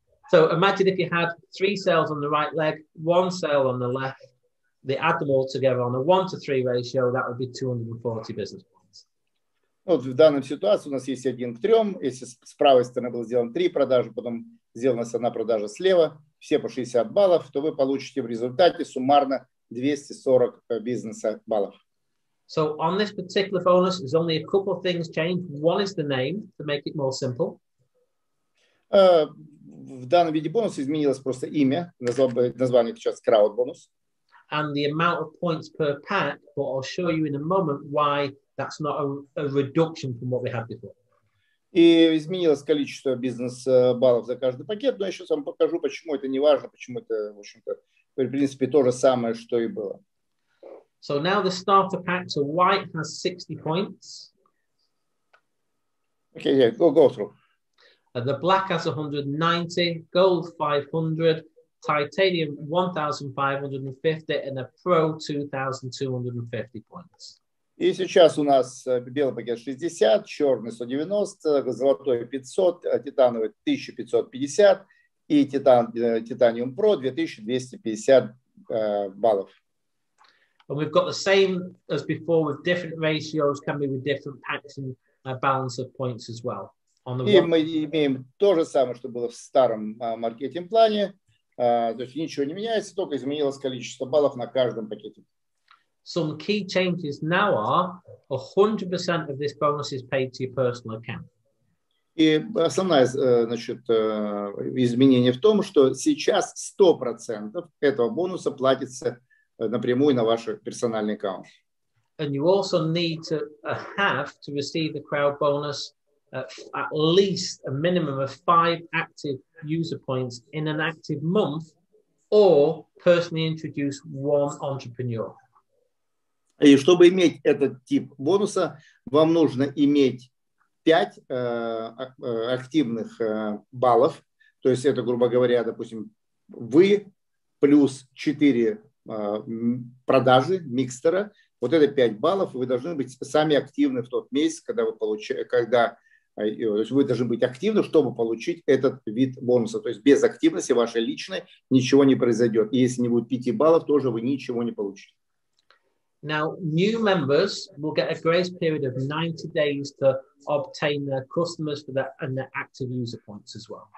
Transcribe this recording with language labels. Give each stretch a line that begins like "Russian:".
English: So imagine if you had three sales on the right leg, one sale on the left, they add them all together on a 1-to-3 ratio, that would be 240 business points.
Russian: Вот в данной ситуации у нас есть 1-к-3. Если с правой стороны было сделано 3 продажи, потом сделана одна продажа слева, все по 60 баллов, то вы получите в результате суммарно 240 бизнеса баллов.
English: So on this particular bonus, there's only a couple of things changed. One is the name, to make it more simple.
Russian: В данном виде бонуса изменилось просто имя, название сейчас Crowd Bonus.
English: And the amount of points per pack, but I'll show you in a moment why that's not a reduction from what we had before.
Russian: И изменилось количество бизнес-баллов за каждый пакет, но я сейчас вам покажу, почему это не важно, почему это, в общем-то, в принципе, то же самое, что и было.
English: So now the starter pack, so white has 60 points. Okay, yeah, go through. And the black has 190, gold 500, titanium 1,550, and a pro 2,250 points.
Russian: И сейчас у нас белый пакет 60, черный 190, золотой 500, титановый 1550 и титаниум про 2250 баллов.
English: And we've got the same as before with different ratios coming with different packs and a balance of points as well. On the one...
Russian: Мы имеем то же самое, что было в старом маркетинг-плане. То есть ничего не меняется, только изменилось количество баллов на каждом пакете.
English: Some key changes now are 100% of this bonus is paid to your personal account.
Russian: И основное, значит, изменение в том, что сейчас 100% этого бонуса платится напрямую на ваш персональный аккаунт.
English: And you also need to have to receive the crowd bonus at least a minimum of 5 active user points in an active month or personally introduce one entrepreneur.
Russian: И чтобы иметь этот тип бонуса, вам нужно иметь 5 активных баллов. То есть это, грубо говоря, допустим, вы плюс 4 продажи микстера. Вот это 5 баллов. Вы должны быть сами активны в тот месяц, когда вы получаете, когда то есть вы должны быть активны, чтобы получить этот вид бонуса. То есть без активности вашей личной ничего не произойдет. И если не будет 5 баллов, тоже вы ничего не получите.
English: Now, new members will get a grace period of 90 days to obtain their customers for that and their active user points as well.